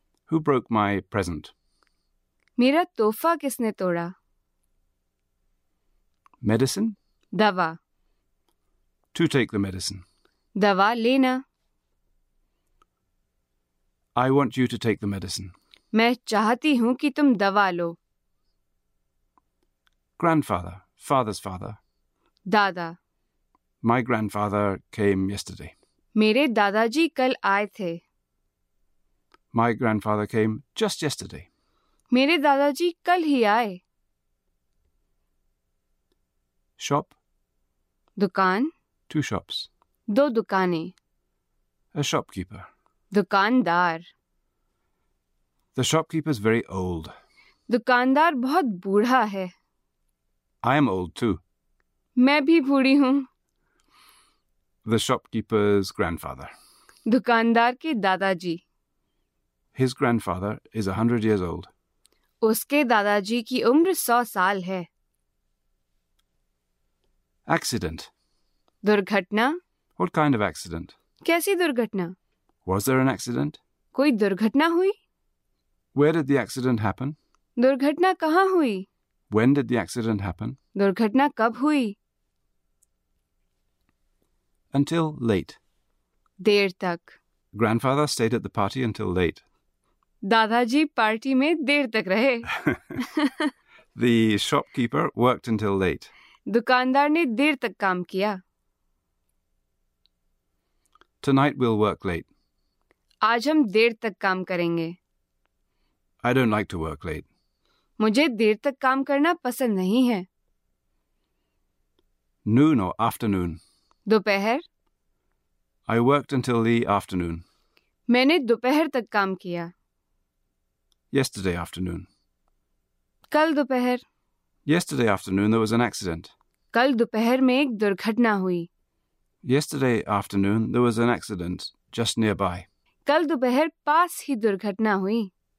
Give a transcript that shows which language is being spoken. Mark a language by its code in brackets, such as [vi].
[en] Who broke my present? [hi] मेरा तोहफा किसने तोड़ा? [en] Medicine? [hi] दवा. [en] To take the medicine. [hi] दवा लेना. [en] I want you to take the medicine. [hi] मैं चाहती हूँ कि तुम दवा लो. [en] Grandfather, father's father. [hi] दादा. [en] My grandfather came yesterday. [hi] मेरे दादाजी कल आए थे. [en] My grandfather came just yesterday. [hi] मेरे दादाजी कल ही आए. [en] Shop. [hi] दुकान. [en] Two shops. [hi] दो दुकानें. [en] A shopkeeper. [hi] दुकानदार. [en] The shopkeeper is very old. [hi] दुकानदार बहुत बूढ़ा है. [en] I am old too. [hi] मैं भी बूढ़ी हूँ. [en] The shopkeeper's grandfather. [hi] दुकानदार के दादाजी. [en] His grandfather is 100 years old. [hi] उसके दादाजी की उम्र 100 साल है. [en] Accident. [hi] दुर्घटना. [en] What kind of accident? [hi] कैसी दुर्घटना? [en] Was there an accident? [hi] कोई दुर्घटना हुई? [en] Where did the accident happen? [hi] दुर्घटना कहाँ हुई? [en] When did the accident happen? [hi] दुर्घटना कब हुई? [en] Until late. [hi] देर तक. [en] Grandfather stayed at the party until late. [hi] दादाजी पार्टी में देर तक रहे. [en] The shopkeeper worked until late. [hi] दुकानदार ने देर तक काम किया. [en] Tonight we'll work late. [hi] आज हम देर तक काम करेंगे. [en] I don't like to work late. [hi] मुझे देर तक काम करना पसंद नहीं है. [en] Noon or afternoon. [hi] दोपहर. [en] I worked until the afternoon. [hi] मैंने दोपहर तक काम किया. [en] Yesterday afternoon. [hi] कल दोपहर. [en] Yesterday afternoon there was an accident. [hi] कल दोपहर में एक दुर्घटना हुई. [en] Yesterday afternoon there was an accident just nearby. [hi] कल दोपहर पास ही दुर्घटना हुई.